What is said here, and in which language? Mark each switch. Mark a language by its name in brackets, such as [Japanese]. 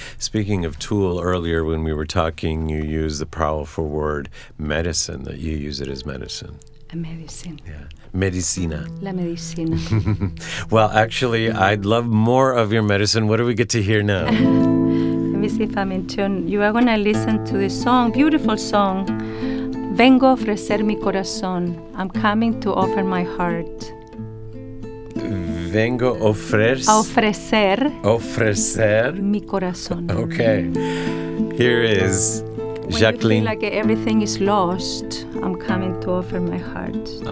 [English] Speaking of tool, earlier when we were talking, you used the powerful word medicine, that you use it as medicine. A medicine. Yeah. Medicina. [Spanish] La medicina. [English] Well, actually, I'd love more of your medicine. What do we get to hear now? Let me see if I'm in tune. You are going to listen to this song, beautiful song. [Spanish] Vengo a ofrecer mi corazón. [English] I'm coming to offer my heart. [Spanish] Vengo a ofrecer. Ofrecer. Mi corazón. [English] Okay. Here is Jacqueline. When you feel like everything is lost, I'm coming to offer my heart.